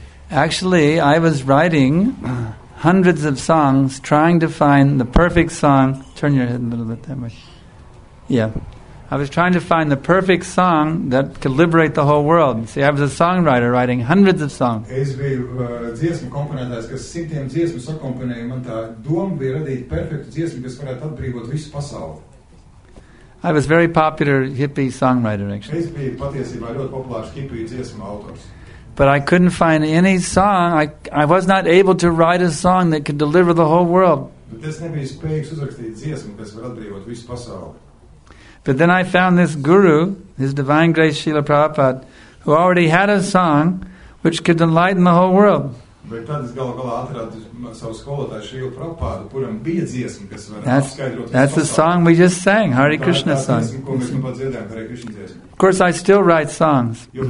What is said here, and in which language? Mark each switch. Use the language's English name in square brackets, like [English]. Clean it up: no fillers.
[English] Actually, I was writing hundreds of songs, trying to find the perfect song. Turn your head a little bit that way. Yeah. I was trying to find the perfect song that could liberate the whole world. See, I was a songwriter writing hundreds of songs. [Latvian] Es biju dziesmu komponētājs, kas simtiem dziesmu sakomponēja. Man tā doma bija radīt perfektu dziesmu, kas varētu atbrīvot visu pasauli. [English] I was very popular hippie songwriter, actually. [Latvian] Es biju patiesībā ļoti populārs hippie dziesmu autors. [English] But I couldn't find any song. I was not able to write a song that could deliver the whole world. [Latvian] Bet es nebiju spējīgs uzrakstīt dziesmu, kas var atbrīvot visu pasauli. [English] But then I found this guru, His Divine Grace Srila Prabhupada, who already had a song which could enlighten the whole world. [Latvian] Bet tad es galu galā atradu savu skolotāju Šrīla Prabhupādu, kuram bija dziesma, kas var paskaidrot. [English] That's the song we just sang, Hare Krishna song. Of course, I still write songs.